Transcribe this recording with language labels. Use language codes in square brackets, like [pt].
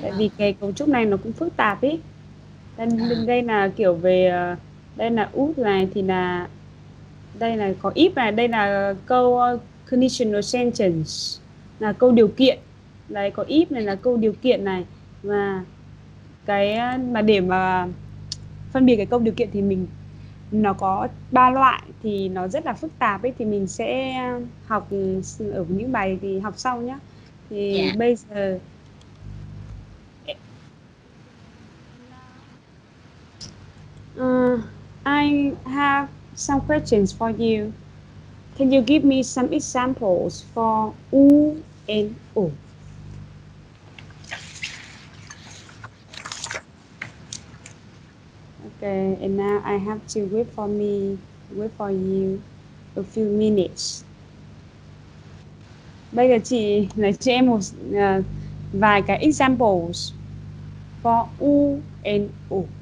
[vi] tại vì cái cấu trúc này nó cũng phức tạp ý. Bên đây là kiểu về đây là út này thì là đây là có if này, đây là câu conditional sentence là câu điều kiện đấy, có if này là câu điều kiện này, và cái mà để mà phân biệt cái câu điều kiện thì mình nó có ba loại thì nó rất là phức tạp ấy, thì mình sẽ học ở những bài thì học sau nhá. Thì bây giờ [en] I have some questions for you. Can you give me some examples for U and O? Okay, and now I have to wait for you a few minutes. [vi] Bây giờ chị lấy cho em một vài cái [en] examples for U and O.